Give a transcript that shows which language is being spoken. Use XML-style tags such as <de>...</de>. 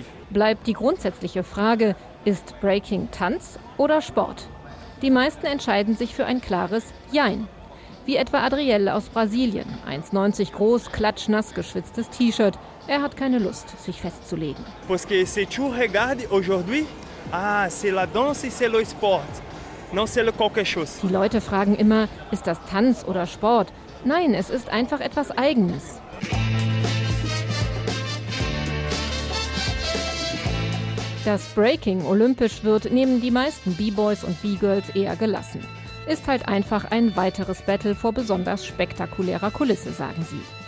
<de>Bleibt die grundsätzliche Frage, ist Breaking Tanz oder Sport? Die meisten entscheiden sich für ein klares Jein. Wie etwa Adrielle aus Brasilien. 1,90 groß, klatschnass geschwitztes T-Shirt. Er hat keine Lust, sich festzulegen.</de> <pt>Porque</pt> <fr>se tu regarde aujourd'hui, c'est la danse et c'est le sport. Non, c'est le quelque chose.</fr> <de>Die Leute fragen immer, ist das Tanz oder Sport? Nein, es ist einfach etwas Eigenes. Dass Breaking olympisch wird, nehmen die meisten B-Boys und B-Girls eher gelassen. Ist halt einfach ein weiteres Battle vor besonders spektakulärer Kulisse, sagen sie.</de>